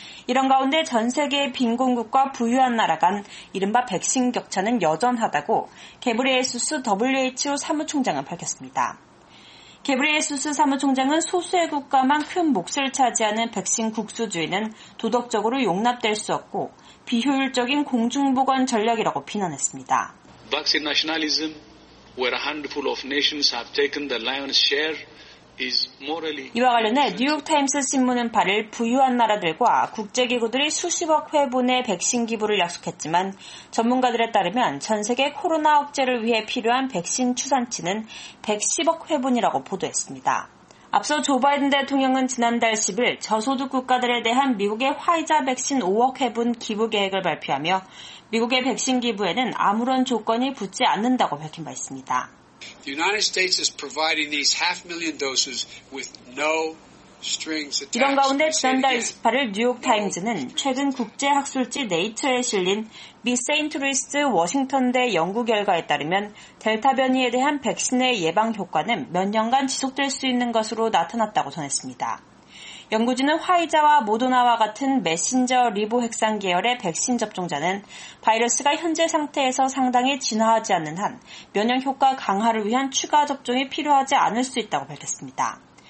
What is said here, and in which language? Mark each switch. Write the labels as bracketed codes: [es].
[ko] 이런 가운데 전 세계의 빈곤국과 부유한 나라 간 이른바 백신 격차는 여전하다고 게브레예수스 WHO 사무총장은 밝혔습니다. 게브레예수스 사무총장은 소수의 국가만 큰 몫을 차지하는 백신 국수주의는 도덕적으로 용납될 수 없고 비효율적인 공중보건 전략이라고 비난했습니다. [en] Vaccine nationalism, where a handful of nations have taken the lion's share, is morally. [ko] 이와 관련해 뉴욕타임스 신문은 8일 부유한 나라들과 국제기구들이 수십억 회분의 백신 기부를 약속했지만 전문가들에 따르면 전 세계 코로나 억제를 위해 필요한 백신 추산치는 110억 회분이라고 보도했습니다. 앞서 조 바이든 대통령은 지난달 10일 저소득 국가들에 대한 미국의 화이자 백신 5억 회분 기부 계획을 발표하며 미국의 백신 기부에는 아무런 조건이 붙지 않는다고 밝힌 바 있습니다. [en] The United States is providing these half million doses with no strings attached. [ko] 이런 가운데 지난달 28일 뉴욕타임즈는 최근 국제학술지 네이처에 실린 미 세인트루이스 워싱턴대 연구 결과에 따르면 델타 변이에 대한 백신의 예방 효과는 몇 년간 지속될 수 있는 것으로 나타났다고 전했습니다. 연구진은 화이자와 모더나와 같은 메신저 리보핵산 계열의 백신 접종자는 바이러스가 현재 상태에서 상당히 진화하지 않는 한 면역 효과 강화를 위한 추가 접종이 필요하지 않을 수 있다고 밝혔습니다.